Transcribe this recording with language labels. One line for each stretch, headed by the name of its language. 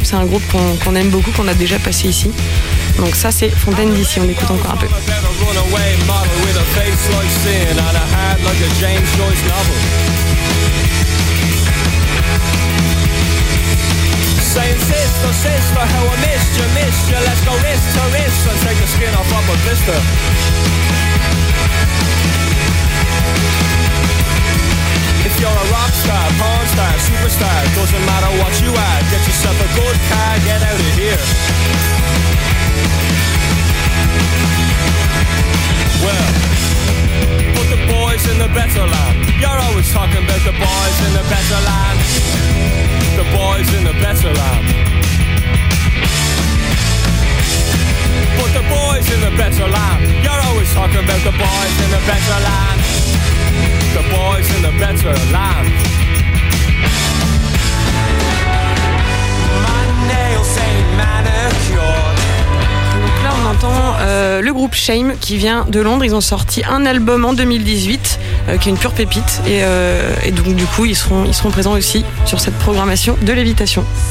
French: C'est un groupe qu'on aime beaucoup, qu'on a déjà passé ici. Donc ça, c'est Fontaine d'ici, on écoute encore un peu.
English: Saying sister, how I missed you, let's go wrist to wrist and take the skin off of a blister. If you're a rock star, porn star, superstar, doesn't matter what you are, get yourself a good car, get out of here. Well, put the boys in the better land. You're always talking about the boys in the better land. The boys in the better land. Put the boys in the better land. You're always talking about the boys in the better land. The boys in the better land. My nails ain't manicured.
French: Là, on entend le groupe Shame qui vient de Londres. Ils ont sorti un album en 2018 qui est une pure pépite. Et donc, du coup, ils seront présents aussi sur cette programmation de Lévitation.